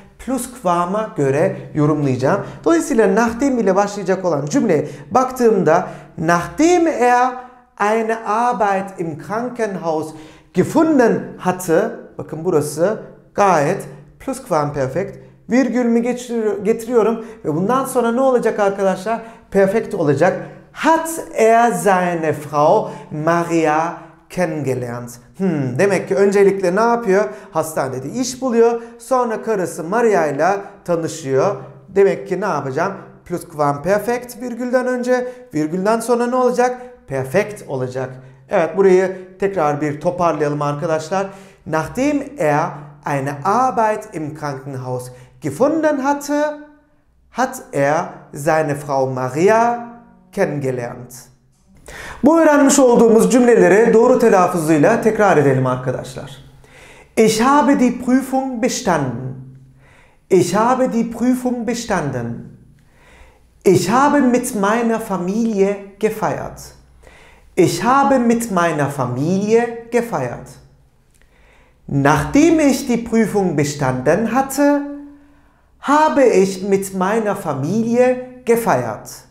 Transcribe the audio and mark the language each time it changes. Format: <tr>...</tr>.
<tr>Plusquam'a göre yorumlayacağım. Dolayısıyla nachdem ile başlayacak olan cümleye baktığımda</tr> <de>nachdem eine Arbeit im Krankenhaus gefunden hatte,</de> <tr>bakın burası gayet plusquamperfekt, virgül mü getiriyorum ve bundan sonra ne olacak arkadaşlar? Perfekt olacak.</tr> <de>Hat seine Frau Maria kennengelernt.</de> <tr>Demek ki öncelikle ne yapıyor? Hastanede iş buluyor. Sonra karısı Maria ile tanışıyor. Demek ki ne yapacağım? Plusquamperfekt virgülden önce, virgülden sonra ne olacak? Perfekt olacak. Evet, burayı tekrar bir toparlayalım arkadaşlar.</tr> <de>Nachdem eine Arbeit im Krankenhaus gefunden hatte, hat seine Frau Maria kennengelernt.</de> <tr>Bu öğrenmiş olduğumuz cümleleri doğru telaffuzuyla tekrar edelim arkadaşlar.</tr> <de>Ich habe die Prüfung bestanden. Ich habe die Prüfung bestanden. Ich habe mit meiner Familie gefeiert. Ich habe mit meiner Familie gefeiert. Nachdem ich die Prüfung bestanden hatte, habe ich mit meiner Familie gefeiert.</de>